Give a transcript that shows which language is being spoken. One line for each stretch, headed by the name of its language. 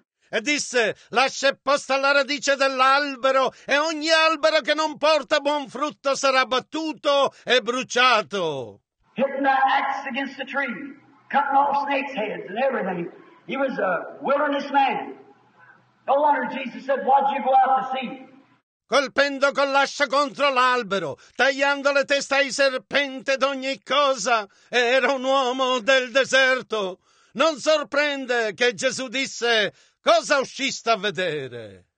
Italian: E disse, lascia posta alla radice dell'albero e ogni albero che non porta buon frutto sarà battuto e bruciato.
English: Hitting the axe against the tree, cutting off snakes' heads and everything. He was a wilderness man. No wonder Jesus said, why'd you go out to see?
Italian: Colpendo con l'ascia contro l'albero, tagliando le teste ai serpenti ed ogni cosa, era un uomo del deserto. Non sorprende che Gesù disse, cosa usciste a vedere?